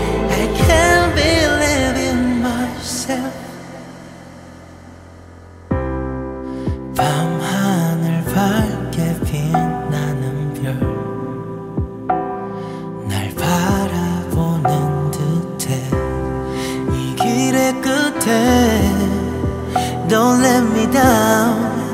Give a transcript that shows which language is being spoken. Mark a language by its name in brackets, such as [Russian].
[English] I can't believe in myself. [Korean] 밤하늘 밝게 빛나는 별 날 바라보는 듯해. 이 길의 끝에 [English] Don't let me down.